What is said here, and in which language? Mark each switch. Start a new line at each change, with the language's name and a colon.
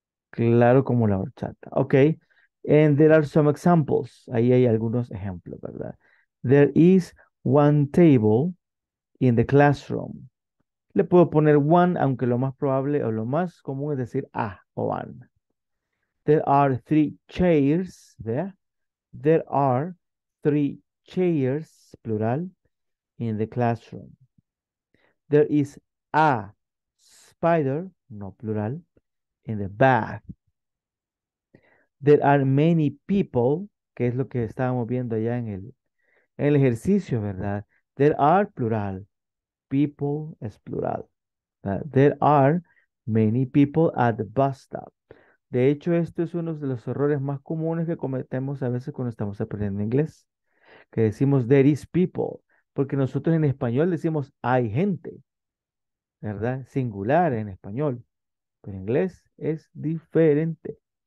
English: Claro, como la horchata. Ok. And there are some examples. Ahí hay algunos ejemplos, ¿verdad? There is one table in the classroom.
Spanish: Le puedo poner one, aunque lo más probable o lo más común es decir a o an.
English: There are three chairs. ¿Vea? There are three chairs, plural, in the classroom. There is a spider, no plural, in the bath.
Spanish: There are many people, que es lo que estábamos viendo allá en el ejercicio, ¿verdad?
English: There are, plural. People es plural. There are many people at the bus stop.
Spanish: De hecho, esto es uno de los errores más comunes que cometemos a veces cuando estamos aprendiendo inglés. Que decimos, there is people. Porque nosotros en español decimos, hay gente. ¿Verdad? Singular en español. Pero en inglés es diferente.